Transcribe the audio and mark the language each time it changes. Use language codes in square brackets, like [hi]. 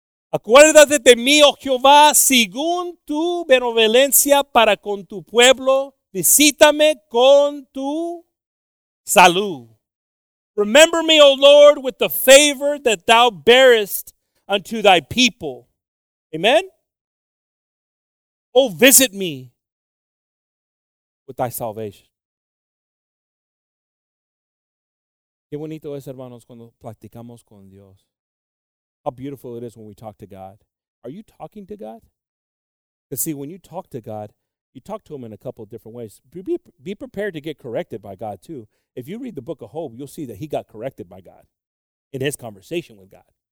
[es] Acuérdate de mí, oh Jehová, según tu benevolencia para con tu pueblo, visítame con tu salud. [en] Remember me, O Lord, with the favor that thou bearest unto thy people. Amen? Oh, visit me with thy salvation. [es] Qué bonito es, hermanos, cuando platicamos con Dios. [en] How beautiful it is when we talk to God. Are you talking to God? Because see, when you talk to God, you talk to Him in a couple of different ways. Be prepared to get corrected by God too. If you read the book of Hope, you'll see that he got corrected by God in his conversation with God.